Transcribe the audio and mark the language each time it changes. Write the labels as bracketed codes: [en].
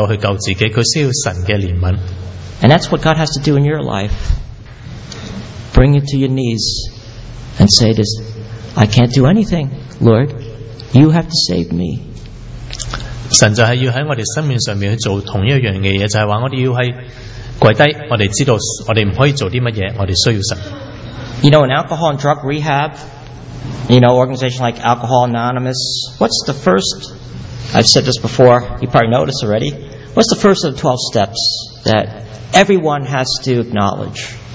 [zh] 他来到这个地步，他知道他自己不能够去救自己，他需要神的怜悯。 [en] And that's what God has to do in your life. Bring it to your knees and say this, "I can't do anything, Lord. You have to save me." [zh] 神就是要在我们生命上做同一样的事，就是说我们要跪下，我们知道我们不可以做些什么，我们需要神。 [en] You know, in alcohol and drug rehab, you know, organizations like Alcohol Anonymous, what's the first, I've said this before, you probably know this already, what's the first of the 12 steps that everyone has to acknowledge?